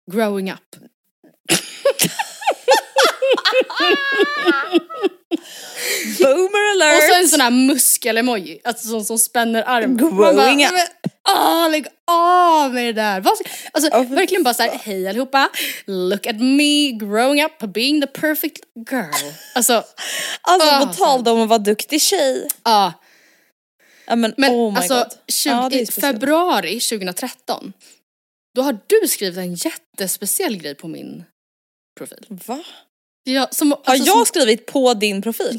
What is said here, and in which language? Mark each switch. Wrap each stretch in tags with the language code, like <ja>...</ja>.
<en>Growing up. Boomer alert!</en> <sv>Och så en sån här muskel-emoji, alltså sån som spänner armen.</sv> <en>Growing up!</en> <sv>Åh, lägg av med det där. Alltså, verkligen bara så här, hej allihopa.</sv> <en>Look at me growing up, being the perfect girl.</en> <sv>Alltså, på tal om att vara duktig tjej. Ja. Men</sv> <en>oh my</en> <sv>alltså,</sv> <en>god.</en> <sv>I februari 2013, då har du skrivit en jättespeciell grej på min profil. Va? Ja, som, har alltså, jag skrivit på din profil?</sv>